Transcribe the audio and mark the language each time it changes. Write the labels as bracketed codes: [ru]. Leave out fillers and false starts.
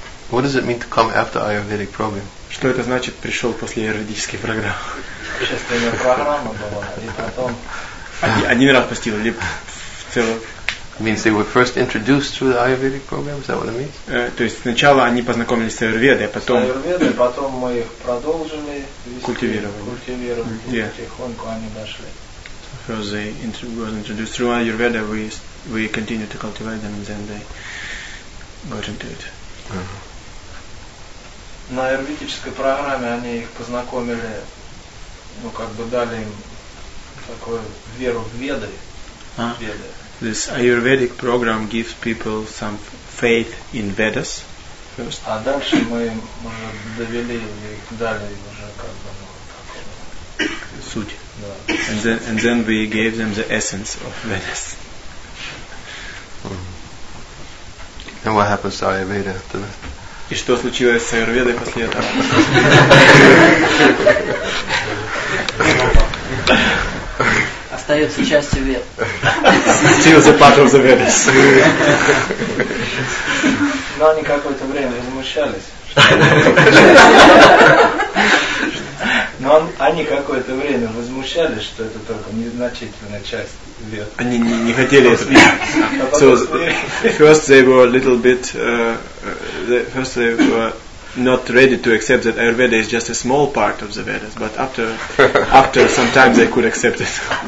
[en] What does it mean to come after Ayurvedic program? [ru] Что это значит пришел после аюрведической программы? Предшественная программа была, и потом. Один раз посетил, или в целом. [en] Means they were first introduced through the Ayurvedic program. Is that what it means? [ru] То есть сначала они познакомились с Аюрведой, потом. Аюрведой, потом мы их продолжили. Культивировали. Yeah. Потихоньку они дошли. [en] First they was introduced through Ayurveda. We continued to cultivate them, and then they got into it. [ru] На аюрведической программе они их познакомили, ну как бы дали им такую веру в Веды. Веды. [en] This Ayurvedic program gives people some faith in Vedas first. [ru] А дальше мы уже довели их далее уже как бы суть. Да. [en] And then we gave them the essence of Vedas. Mm-hmm. And what happens to Ayurveda after that? [ru] И что случилось с Аюрведой после этого? Остается частью Вед. [en] Still the part of the Vedas. [ru] Но они какое-то время возмущались. Но они какое-то время возмущались, что это только незначительная часть Вед. Они не хотели смириться. [en] So first they were a little bit. First they were not ready to accept that Ayurveda is just a small part of the Vedas, but after some time they could accept it.